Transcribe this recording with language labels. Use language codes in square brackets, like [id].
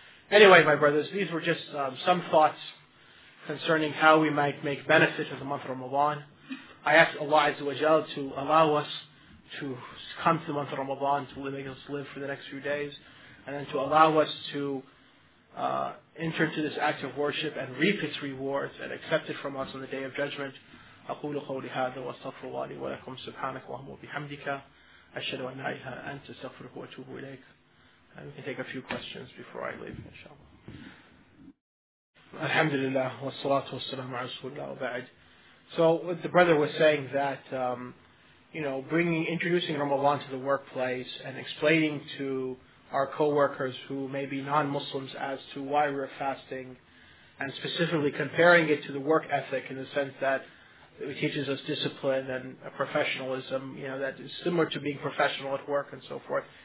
[en] Anyway, my brothers, these were just some thoughts concerning how we might make benefit of the month of Ramadan. I ask Allah Azza wa Jal to allow us to come to the month of Ramadan, to make us live for the next few days, and then to allow us to enter into this act of worship and reap its rewards and accept it from us on the Day of Judgment. [ar] أقول قولي هذا وأستغفر الله لي ولكم سبحانك اللهم وبحمدك أشهد أن لا إله إلا أنت أستغفرك وأتوب إليك. [en] And we can take a few questions before I leave, inshallah. [ar] Alhamdulillah, wassalatu wassalamu ala rasulullah wa ba'd. [en] So what the brother was saying, that introducing Ramadan to the workplace and explaining to our co-workers who may be non-Muslims as to why we're fasting, and specifically comparing it to the work ethic in the sense that it teaches us discipline and professionalism, you know, that is similar to being professional at work and so forth.